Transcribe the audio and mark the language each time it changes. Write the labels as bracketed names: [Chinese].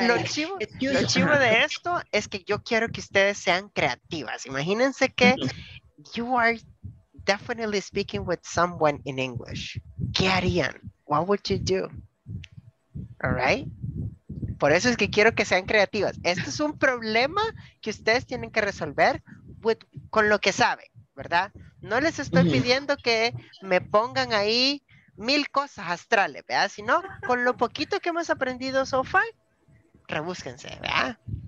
[Spanish] lo chivo de esto es que yo quiero que ustedes sean creativas. Imagínense que [English] you are definitely speaking with someone in English. [Spanish] ¿Qué harían? [English] What would you do? All right. [Spanish] Por eso es que quiero que sean creativas. Este es un problema que ustedes tienen que resolver con lo que saben, ¿verdad? No les estoy, mm-hmm, pidiendo que me pongan ahí mil cosas astrales, ¿verdad? Sino con lo poquito que hemos aprendido [English] so far, [Spanish] rebúsquense, ¿verdad?